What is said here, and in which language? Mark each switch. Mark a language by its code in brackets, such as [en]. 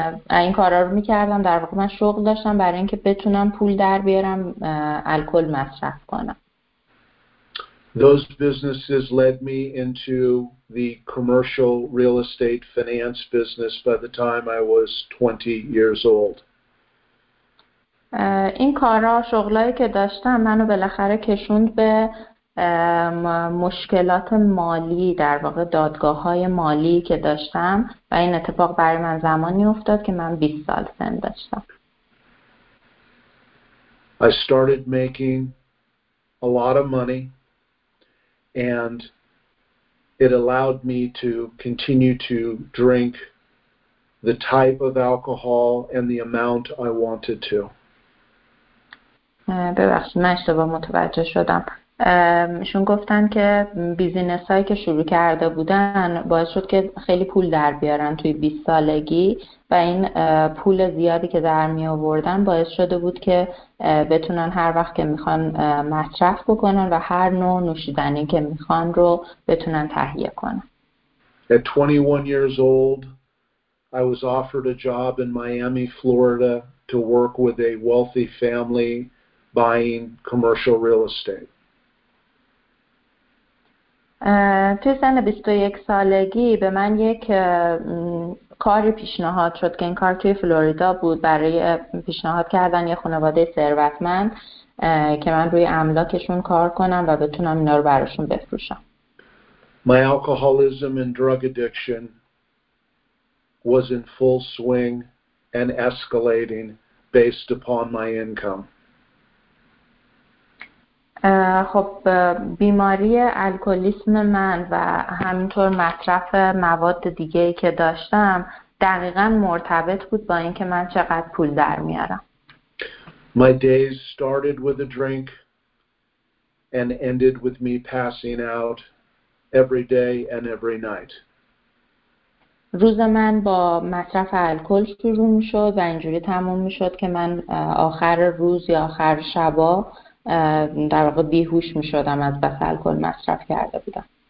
[fa] این کارا رو می‌کردم در واقع من شغل داشتم برای اینکه بتونم پول در بیارم الکل مصرف کنم. [en] Those businesses led me into the commercial real estate finance business by the time I was 20 years old. [fa] این کارا شغلایی که داشتم منو بالاخره کشوند به مشکلات مالی در واقع دادگاه های مالی که داشتم و این اتفاق برای من زمانی افتاد که من 20 سال سن داشتم. [en] I started making a lot of money and it allowed me to continue to drink the type of alcohol and the amount I wanted to. [fa] ببخشید من اشتباه متوجه شدم. شون گفتن که بیزینس هایی که شروع کرده بودن باعث شد که خیلی پول در بیارن توی 20 سالگی و این پول زیادی که در می آوردن باعث شده بود که بتونن هر وقت که میخوان مصرف بکنن و هر نوع نوشیدنی که میخوان رو بتونن تهیه کنن. [en] At 21 years old, I was offered a job in Miami, Florida to work with a wealthy family buying commercial real estate. [fa] توی سن 21 سالگی به من یک کاری پیشنهاد شد که این کار توی فلوریدا بود برای پیشنهاد کردن یه خانواده ثروتمند که من روی املاکشون کار کنم و بتونم اینا رو براشون بفروشم. [en] My alcoholism and drug addiction was in full swing and escalating based upon my income. [fa] خب بیماری الکلیسم من و همینطور مصرف مواد دیگه‌ای که داشتم دقیقاً مرتبط بود با اینکه من چقدر پول در میارم. [en] My days started with a drink and ended with me passing out every day and every night. [fa] روز من با مصرف الکل شروع می‌شد و اینجوری تموم می‌شد که من آخر روز یا آخر شبا در واقع بیهوش می شدم از بس الکل مصرف کرده بودم.